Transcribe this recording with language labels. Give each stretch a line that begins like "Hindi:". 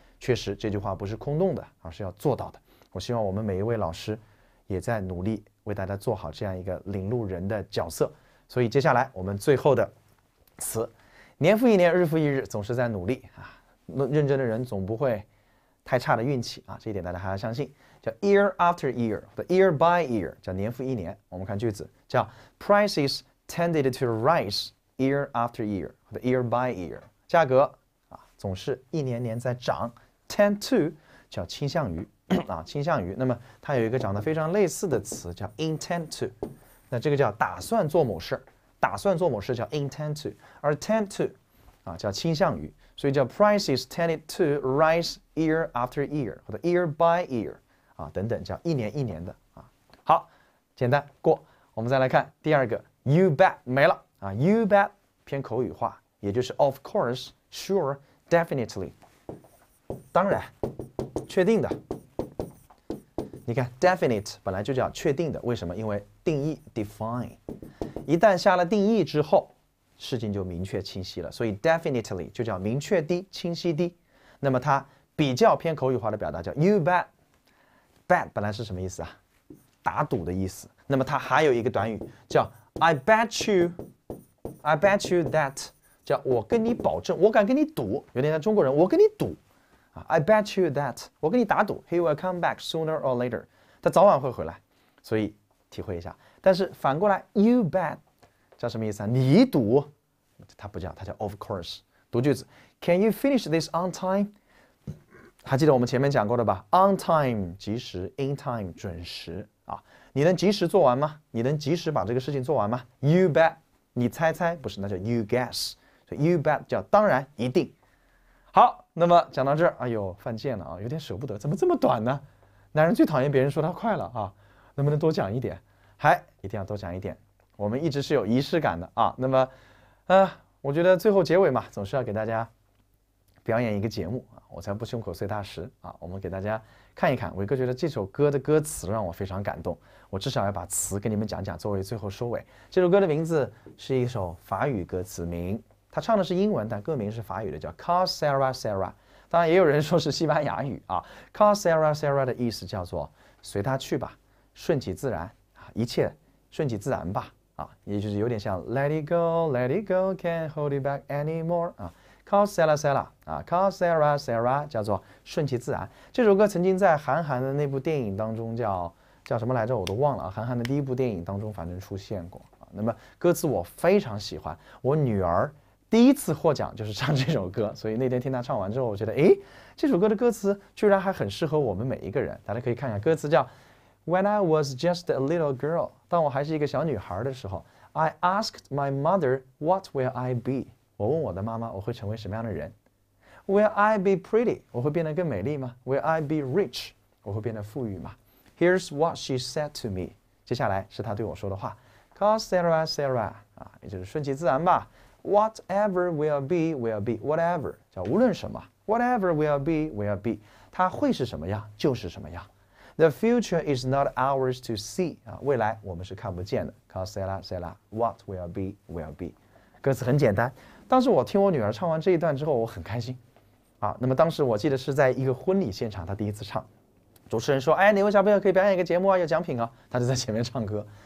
Chinese: 确实，这句话不是空洞的，而是要做到的。我希望我们每一位老师，也在努力为大家做好这样一个领路人的角色。所以接下来我们最后的词，年复一年，日复一日，总是在努力啊。那认真的人总不会太差的运气啊，这一点大家还要相信。叫
English: year after year
Chinese: 或者
English: year by year，
Chinese: 叫年复一年。我们看句子，叫
English: prices tended to rise year after year
Chinese: 或者
English: year by year，
Chinese: 价格啊总是一年年在涨。 tend to 叫倾向于啊，倾向于。那么它有一个长得非常类似的词叫 intend to。那这个叫打算做某事，打算做某事叫 intend to，而 tend to 啊叫倾向于，所以叫
English: prices tended to rise year after year
Chinese: 或者
English: year by year
Chinese: 啊等等，叫一年一年的啊。好，简单过。我们再来看第二个
English: you bet
Chinese: 没了啊，you bet 偏口语化，也就是
English: of course sure definitely
Chinese: 当然，确定的。你看，definite 本来就叫确定的，为什么？因为定义 define，一旦下了定义之后，事情就明确清晰了，所以 definitely 就叫明确的、清晰的。那么它比较偏口语化的表达叫 you bet。bet 本来是什么意思啊？打赌的意思。那么它还有一个短语叫
English: I bet you that，
Chinese: 叫我跟你保证，我敢跟你赌，有点像中国人，我跟你赌。
English: I bet you that，
Chinese: 我跟你打赌，
English: he will come back sooner or later，
Chinese: 他早晚会回来，所以体会一下。但是反过来，
English: you bet
Chinese: 叫什么意思啊？你赌，它不叫，它叫
English: of course。
Chinese: 读句子，
English: Can you finish this on time？
Chinese: 还记得我们前面讲过的吧？
English: On time
Chinese: 及时，
English: in time
Chinese: 准时啊。你能及时做完吗？你能及时把这个事情做完吗？
English: You bet，
Chinese: 你猜猜，不是，那叫
English: you guess。
Chinese: 所以
English: you bet
Chinese: 叫当然，一定。好，那么讲到这儿，哎呦，犯贱了啊，有点舍不得，怎么这么短呢？男人最讨厌别人说他快了啊，能不能多讲一点？还一定要多讲一点，我们一直是有仪式感的啊。那么，我觉得最后结尾嘛，总是要给大家表演一个节目啊，我才不胸口碎大石啊。我们给大家看一看，伟哥觉得这首歌的歌词让我非常感动，我至少要把词给你们讲讲，作为最后收尾。这首歌的名字是一首法语歌词名。他唱的是英文，但歌名是法语的，叫 Car Sera Sera。当然，也有人说是西班牙语啊。Car Sera Sera 的意思叫做随他去吧，顺其自然啊，一切顺其自然吧啊，也就是有点像
English: Let it go, let it go, can't hold it back anymore
Chinese: 啊。 Car Sera Sera 啊，Car Sera Sera 叫做顺其自然。这首歌曾经在韩寒的那部电影当中叫什么来着，我都忘了啊。韩寒的第一部电影当中，反正出现过啊。那么歌词我非常喜欢，我女儿第一次获奖就是唱这首歌，所以那天听他唱完之后，我觉得，哎，这首歌的歌词居然还很适合我们每一个人。大家可以看看歌词，叫
English: "When I was just a little girl"，
Chinese: 当我还是一个小女孩的时候，
English: I asked my mother what will I be？
Chinese: 我问我的妈妈，我会成为什么样的人？
English: Will I be pretty？
Chinese: 我会变得更美丽吗？
English: Will I be rich？
Chinese: 我会变得富裕吗
English: Here's what she said to me.
Chinese: 接下来是她对我说的话。 Call Sarah, Sarah. 啊，也就是顺其自然吧。
English: Whatever will be, whatever.
Chinese: 叫无论什么。
English: Whatever will be.
Chinese: 它会是什么样，就是什么样。
English: The future is not ours to see.
Chinese: 啊，未来我们是看不见的。 Call Sarah, Sarah.
English: What will be.
Chinese: 歌词很简单。当时我听我女儿唱完这一段之后，我很开心。啊，那么当时我记得是在一个婚礼现场，她第一次唱。主持人说，哎，哪位小朋友可以表演一个节目啊，有奖品啊，他就在前面唱歌。